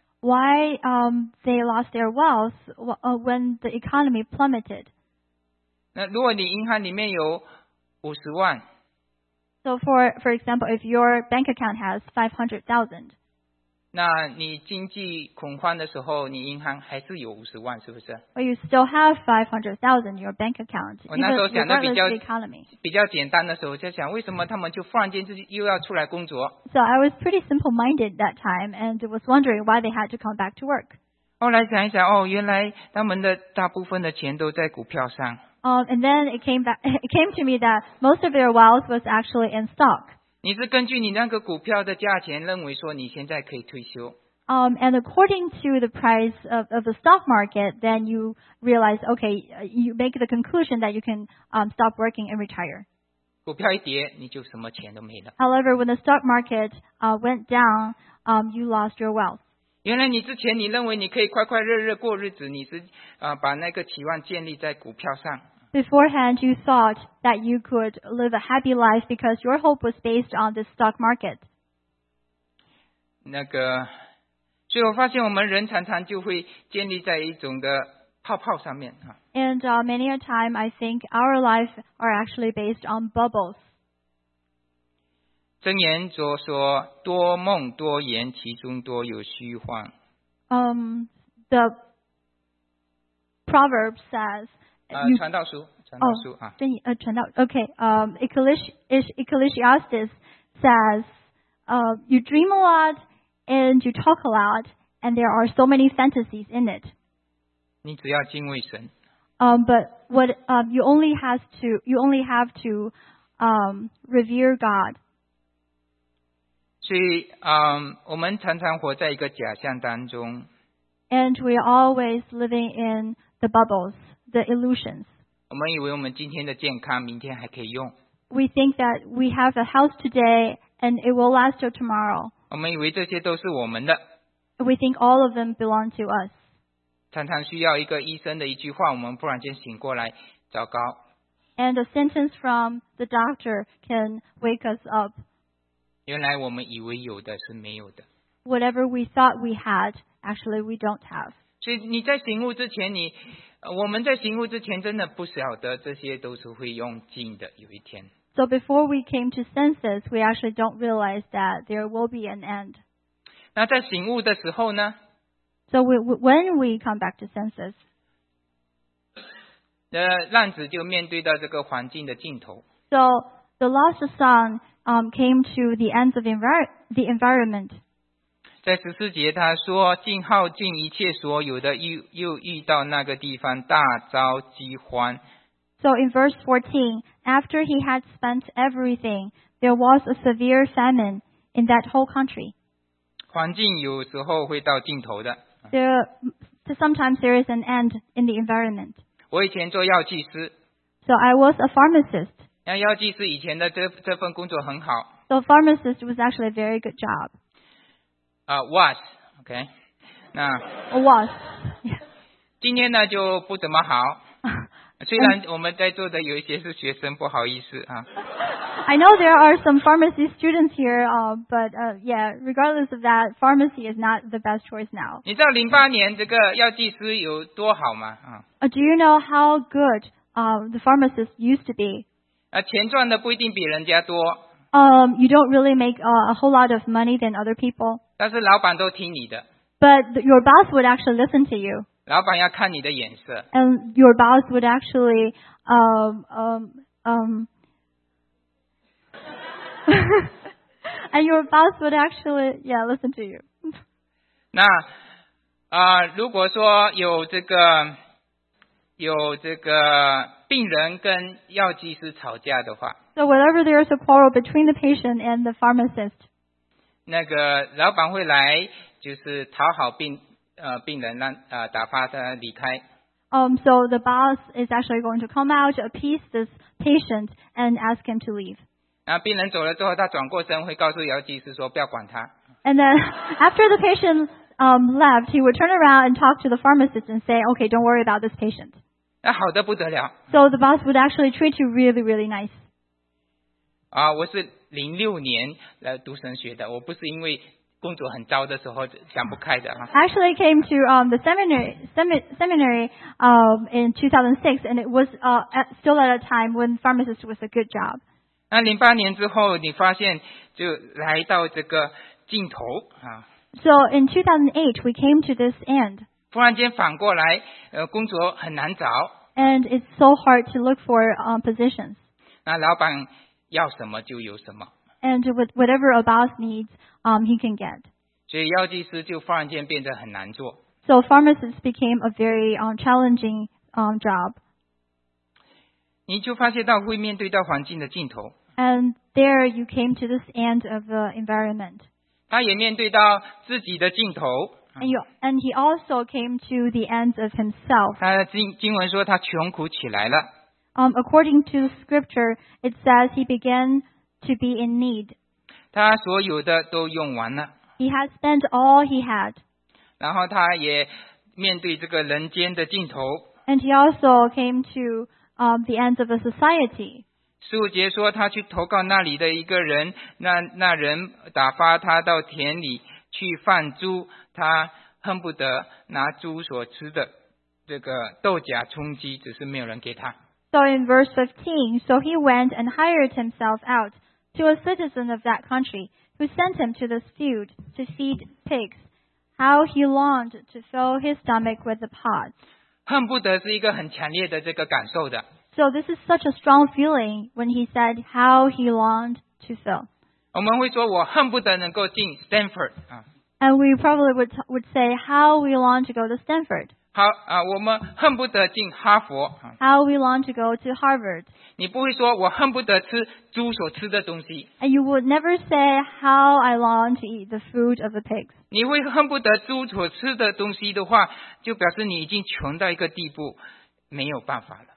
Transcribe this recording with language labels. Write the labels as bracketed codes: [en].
[en] Why they lost their wealth when the economy plummeted? [zh] 那如果你银行里面有50万 [en] ，So for example, if your bank account has 500,000, [zh] 那你经济恐慌的时候，你银行还是有50万，是不是 [en] ？But you still have 500,000 in your bank account. [zh] 我那时候想的比较简单的时候，就想为什么他们就忽然间又要出来工作 [en] ？So I was pretty simple-minded that time, and was wondering why they had to come back to work. [zh] 后来想一想，哦，原来他们的大部分的钱都在股票上。 [en] And then it came to me that most of their wealth was actually in stock. [zh] 你是根据你那个股票的价钱认为说你现在可以退休。 [en] And according to the price of the stock market, then you realize, okay, you make the conclusion that you can stop working and retire. [zh] 股票一跌，你就什么钱都没了。 [en] However, when the stock market went down, you lost your wealth. [zh] 原来你之前你认为你可以快快乐乐过日子，你是把那个期望建立在股票上。 [en] Beforehand, you thought that you could live a happy life because your hope was based on the stock market. [zh] 那个，所以我发现我们人常常就会建立在一种的泡泡上面啊。 [en] And many a time, I think our life are actually based on bubbles. [zh] 箴言着说，多梦多言，其中多有虚幻。 [en] The proverb says. [zh] 传道书。传道书啊。箴言传道 OK. [en] Ecclesiastes says, you dream a lot and you talk a lot, and there are so many fantasies in it. [zh] 你只要敬畏神。 [en] But what you only have to revere God. [zh] 所以我们常常活在一个假象当中。 [en] And we are always living in the bubbles, the illusions. [zh] 我们以为我们今天的健康明天还可以用。 [en] We think that we have a health today and it will last till tomorrow. [zh] 我们以为这些都是我们的。 [en] We think all of them belong to us. [zh] 常常需要一个医生的一句话，我们忽然间醒过来，糟糕。 [en] And a sentence from the doctor can wake us up. [zh] 原来我们以为有的是没有的。 [en] Whatever we thought we had, actually we don't have. [zh] 所以你在醒悟之前，我们在醒悟之前真的不晓得这些都是会用尽的有一天。 [en] So before we came to senses, we actually don't realize that there will be an end. [zh] 那在醒悟的时候呢？ [en] So when we come back to senses, [zh] 浪子就面对到这个环境的尽头。 [en] So the lost son,came to the ends of the environment. [zh] 在十四节他说竟耗尽一切所有的 又遇到那个地方大遭饥荒。 [en] So in verse 14, after he had spent everything, there was a severe famine in that whole country. [zh] 环境有时候会到尽头的。 [en] Sometimes there is an end in the environment. [zh] 我以前做药剂师。 [en] So I was a pharmacist. [zh] 那药剂师以前的 这份工作很好。 [en] So pharmacist was actually a very good job. Was, okay. 那 was. [zh] 今天呢就不怎么好。虽然我们在座的有一些是学生，不好意思啊。 [en] I know there are some pharmacy students here, but yeah, regardless of that, pharmacy is not the best choice now. [zh] 你知道零八年这个药剂师有多好吗？啊。 [en] Do you know how good the pharmacist used to be? [zh] 钱赚的不一定比人家多。 [en] you don't really make a whole lot of money than other people. [zh] 但是老板都听你的。 [en] But your boss would actually listen to you. [zh] 老板要看你的眼色。 [en] And your boss would actually, and your boss would actually, yeah, listen to you. [zh] 那如果说有这个病人跟药剂师吵架的话。 [en] So whenever there is a quarrel between the patient and the pharmacist. [zh] 那个老板会来就是讨好病人让打发他离开。 [en] So the boss is actually going to come out, appease this patient and ask him to leave. [zh] 那病人走了之后他转过身会告诉药剂师说不要管他。 [en] And then after the patient left, he would turn around and talk to the pharmacist and say, okay, don't worry about this patient. [zh] 那好得不得了。 [en] So the boss would actually treat you really, really nice. [zh] 啊，我是06年来读神学的，我不是因为工作很糟的时候想不开的。 [en] I actually came to the seminary in 2006, and it was still at a time when pharmacist was a good job. [zh] 那零八年之后，你发现就来到这个尽头啊。 [en] So in 2008, we came to this end. [zh] 突然间反过来，工作很难找。 [en] And it's so hard to look for positions. [zh] 那老板要什么就有什么。 [en] And with whatever a boss needs, he can get. [zh] 所以药剂师就突然间变得很难做。 [en] So pharmacists became a very challenging job. [zh] 你就发现到会面对到环境的尽头。 [en] And there you came to this end of the environment. [zh] 他也面对到自己的尽头。 [en] And he also came to the ends of himself. [zh] 他经文说他穷苦起来了。 [en] According to scripture, it says he began to be in need. [zh] 他所有的都用完了。 [en] He had spent all he had. [zh] 然后他也面对这个人间的尽头。 [en] And he also came to the ends of the society. [zh] 十五节说他去投靠那里的一个人 那人打发他到田里去放猪他恨不得拿猪所吃的这个豆荚充饥只是没有人给他。 [en] So in verse 15, so he went and hired himself out to a citizen of that country who sent him to this field to feed pigs. How he longed to fill his stomach with the pods. [zh] 恨不得是一个很强烈的这个感受的。 [en] So this is such a strong feeling when he said how he longed to fill. [zh] 我们会说我恨不得能够进 Stanford. [en] And we probably would say how we long to go to Stanford. [zh] 好啊，我们恨不得进哈佛。 [en] How we long to go to Harvard. [zh] 你不会说我恨不得吃猪所吃的东西。 [en] And you would never say how I long to eat the food of the pigs. [zh] 你会恨不得猪所吃的东西的话，就表示你已经穷到一个地步，没有办法了。